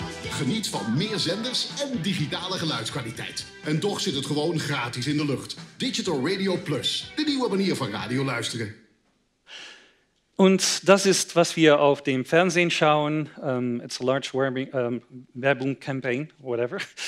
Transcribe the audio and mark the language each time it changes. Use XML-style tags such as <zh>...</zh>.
<nl>Geniet van meer zenders en digitale geluidskwaliteit. En toch zit het gewoon gratis in de lucht. Digital Radio Plus, de nieuwe manier van radio luisteren.</nl> <de>Und das ist, was wir auf dem Fernsehen schauen.</de> <en>It's a large Werbung campaign, whatever.</en>